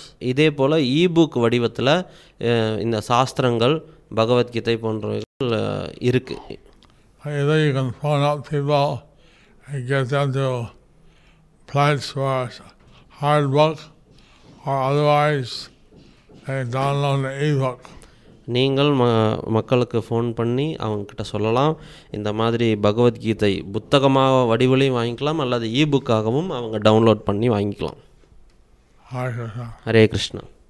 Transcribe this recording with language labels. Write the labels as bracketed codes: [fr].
[ta] இதே போல இபுக் வடிவத்தில் இந்த சாஸ்திரங்கள் பகவத்கீதை போன்றவைகள் இருக்கு. [en] Either you can phone up people and get them to pledge for a hard book or otherwise they download the e-book. [ta] நீங்கள் மக்களுக்கு ஃபோன் பண்ணி அவங்கக்கிட்ட சொல்லலாம் இந்த மாதிரி பகவத்கீதை புத்தகமாக வடிவிலையும் வாங்கிக்கலாம் அல்லது இபுக்காகவும் அவங்க டவுன்லோட் பண்ணி வாங்கிக்கலாம். ஹரே கிருஷ்ணா.